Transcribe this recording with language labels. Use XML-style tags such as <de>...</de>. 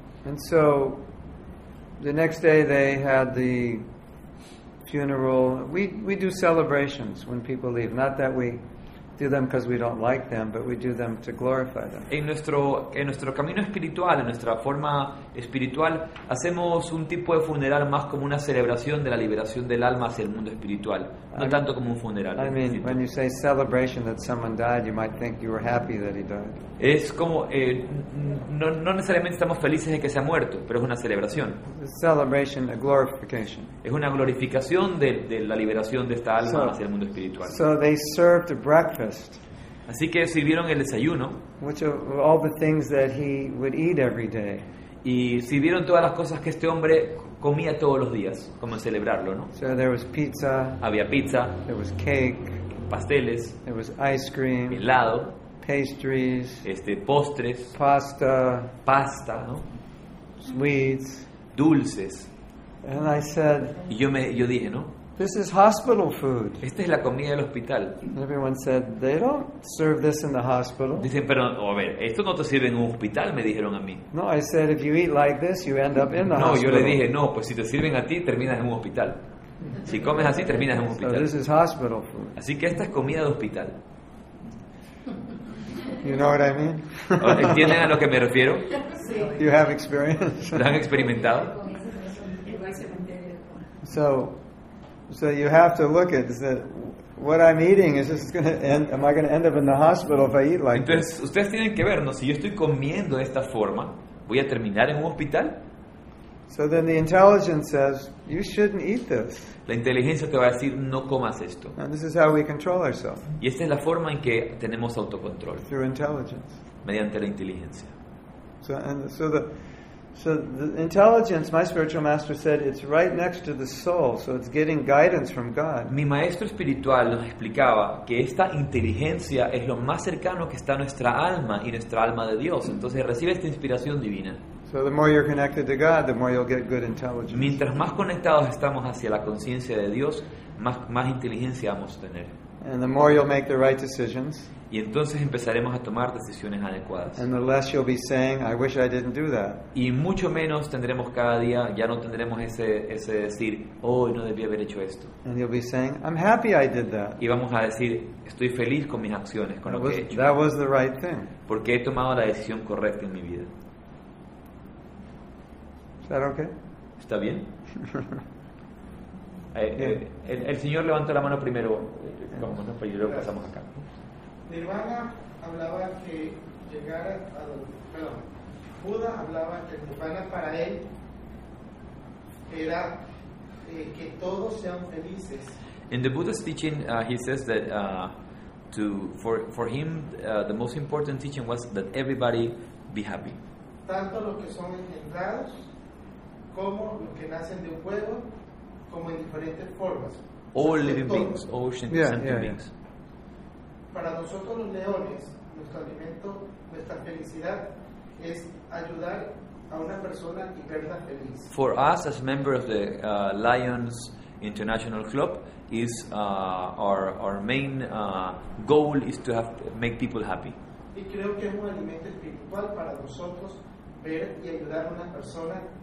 <en>And so the next day they had the funeral. We do celebrations when people leave. Not that we do them because we don't like them, but we do them to glorify them.</en> <es>En nuestro camino espiritual, en nuestra forma espiritual, hacemos un tipo de funeral más como una celebración de la liberación del alma hacia el mundo espiritual, no tanto como un funeral.</es> <en>I mean, when you say celebration that someone died, you might think you were happy that he died.</en> <es>Es como no necesariamente estamos felices de que se ha muerto, pero es una celebración.</es> <en>Celebration, a glorification.</en> <es>Es una glorificación de la liberación de esta alma hacia el mundo espiritual.</es> <en>So they served breakfast.</en> <es>Así que sirvieron el desayuno.</es> <en>Which of all the things that he would eat every day.</en> <es>Y sirvieron todas las cosas que este hombre comía todos los días, como celebrarlo, ¿no?</es> <en>So there was pizza.</en> <es>Había pizza.</es> <en>There was cake.</en> <es>Pasteles.</es> <en>There was ice cream.</en> <es>Helado.</es> <en>Pastries,</en> <es>postres, pasta, ¿no?</es> <en>Sweets,</en> <es>dulces.</es> <en>And I said,</en> <es>y yo dije, ¿no?</es> <en>This is hospital food.</en> <es>Esta es la comida del hospital.</es> <en>And everyone said, they don't serve this in the hospital.</en> <es>Dicen, pero a ver, esto no te sirve en un hospital, me dijeron a mí.</es> <en>No, I said, if you eat like this, you end up in the</en> <es>no,</es> <en>hospital.</en> <es>No, yo le dije, no, pues si te sirven a ti, terminas en un hospital. Si comes así, terminas en un hospital.</es> <en>So this is hospital food.</en> <es>Así que esta es comida de hospital.</es> <en>You know what I mean?</en> <es>¿Entienden a lo que me refiero?</es> <en>Sí. You have experience.</en> <es>¿Lo han experimentado?</es> <en>So, So you have to look at is that what I'm eating is just going to end. Am I going to end up in the hospital if I eat like</en> <es>this? Entonces, ustedes tienen que ver, ¿no? Si yo estoy comiendo de esta forma, ¿voy a terminar en un hospital?</es> <en>So then the intelligence says, you shouldn't eat this.</en> <es>La inteligencia te va a decir, no comas esto.</es> <en>And this is how we control ourselves.</en> <es>Y esta es la forma en que tenemos autocontrol.</es> <en>Through intelligence.</en> <es>Mediante la inteligencia.</es> <en>So the intelligence, my spiritual master said, it's right next to the soul, so it's getting guidance from God.</en> <es>Mi maestro espiritual nos explicaba que esta inteligencia es lo más cercano que está nuestra alma y nuestra alma de Dios. Entonces recibe esta inspiración divina.</es> <en>So the more you're connected to God, the more you'll get good intelligence.</en> <es>Mientras más conectados estamos hacia la conciencia de Dios, más inteligencia vamos a tener.</es> <en>And the more you'll make the right decisions.</en> <es>Y entonces empezaremos a tomar decisiones adecuadas.</es> <en>And the less you'll be saying, I wish I didn't do that.</en> <es>Y mucho menos tendremos cada día, ya no tendremos ese decir, oh, no debí haber hecho esto.</es> <en>And you'll be saying, I'm happy I did that.</en> <es>Y vamos a decir, estoy feliz con mis acciones, con lo que he hecho.</es> <en>That was the right thing.</en> <es>Porque he tomado la decisión correcta en mi vida.</es> <en>Is that okay?</en> <es>¿Está bien? El señor levantó la mano primero. Vamos, ¿no? Pues luego pasamos acá. Nirvana hablaba que llegar a perdón, Buda hablaba que Nirvana para él era que todos sean felices.</es> <en>In the Buddha's teaching, he says that for him, the most important teaching was that everybody be happy.</en> <es>Tanto los que son engendrados como los que nacen de un huevo, como en diferentes formas.</es> <en>All living beings, all sentient beings.</en> <es>Para nosotros los leones, nuestro alimento, nuestra felicidad es ayudar a una persona y verla feliz.</es> <en>For us as members of the Lions International Club, is our main goal is to have to make people happy.</en> <es>Y creo que es un alimento espiritual para nosotros ver y ayudar a una persona.</es>